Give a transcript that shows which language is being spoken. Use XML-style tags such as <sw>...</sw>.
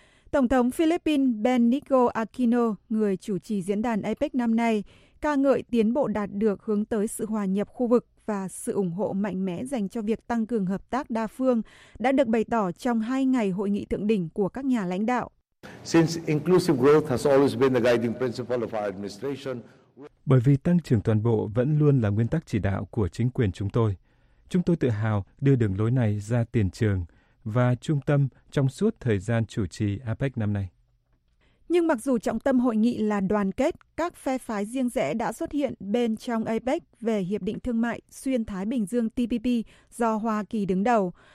<vi>Tổng thống Philippines Benigno Aquino, người chủ trì diễn đàn APEC năm nay, ca ngợi tiến bộ đạt được hướng tới sự hòa nhập khu vực và sự ủng hộ mạnh mẽ dành cho việc tăng cường hợp tác đa phương đã được bày tỏ trong hai ngày hội nghị thượng đỉnh của các nhà lãnh đạo.</vi> <en>Since inclusive growth has always been the guiding principle of our administration,</en> <vi>bởi vì tăng trưởng toàn bộ vẫn luôn là nguyên tắc chỉ đạo của chính quyền chúng tôi tự hào đưa đường lối này ra tiền trường và trung tâm trong suốt thời gian chủ trì APEC năm nay. Nhưng mặc dù trọng tâm hội nghị là đoàn kết, các phe phái riêng rẽ đã xuất hiện bên trong APEC về Hiệp định Thương mại Xuyên Thái Bình Dương TPP do Hoa Kỳ đứng đầu.</vi>